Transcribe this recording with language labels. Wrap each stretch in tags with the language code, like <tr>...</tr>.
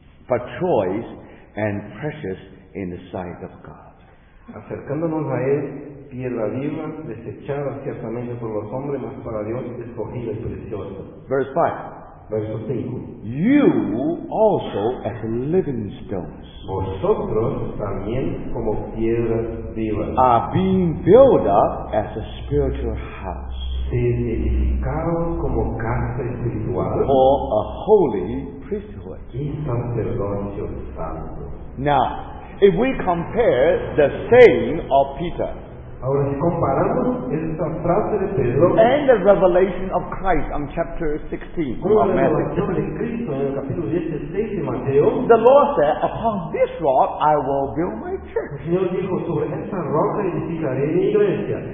<en>but choice and precious in the sight of God.</en> <es>Acercándonos a él, piedra viva, desechada ciertamente por los hombres, mas para Dios escogida y preciosa.</es> <en>Verse 5.</en> <es>Verso 5.</es> <en>You also as living stones.</en> <es>Vosotros también como piedras vivas.</es> <en>Are being built up as a spiritual house.</en> <es>Se edificaron como casa espiritual.</es> <en>For a holy priesthood.</en> <es>Y sacerdocio santo.</es> <en>Now, if we compare the saying of Peter.</en> <es>Ahora, si comparamos esta frase de Pedro,</es> <en>and the revelation of Christ on chapter 16 of Matthew,</en> <es>Mateo,</es> <en>the Lord said, upon this rock I will build my church.</en> <es>Señor dijo, sobre esta roca edificaré mi iglesia.</es>